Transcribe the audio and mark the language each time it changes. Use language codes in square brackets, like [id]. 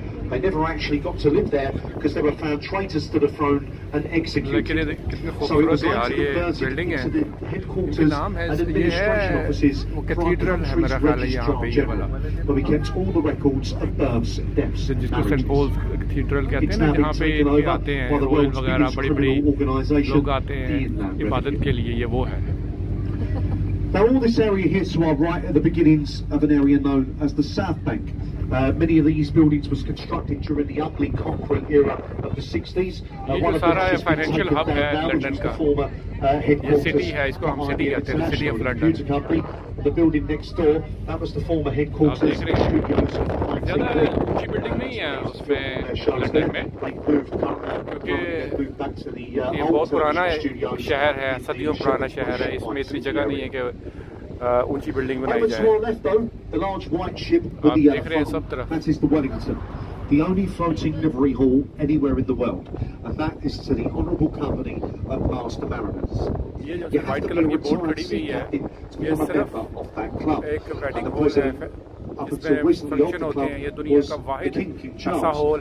[en] They never actually got to live there because they were found traitors to the throne and executed. So it was like to be converted into the headquarters and administration offices for the country's registrar general, where we kept all the records of births, deaths and marriages. [hi] थिएटरल कहते हैं ना, जहाँ पे ये आते हैं royal वगैरह, बड़ी बड़ी लोग आते हैं इबादत के लिए, ये वो है। [en] Now all this area here to our right are the beginnings of an area known as the South Bank. Many of these buildings was constructed during the ugly concrete era of the 60s. [hi] ये जो सारा है financial hub है London का, ये city है, इसको हम सिटी कहते हैं, city of London. [en] The building next door, that was the former headquarters. [hi] ज़्यादा ऊँची बिल्डिंग नहीं है उसमें लंदन में, क्योंकि ये बहुत पुराना शहर है, सदियों पुराना शहर है, इसमें इतनी जगह नहीं है कि ऊँची बिल्डिंग बनाई जाए। आप देख रहे हैं सब तरफ, [en] the only floating livery hall anywhere in the world, and that is to the Honourable Company of Master Mariners. You have to be a retired sea captain to be a member of that club, and the president, up until recently of the club, was the King Charles.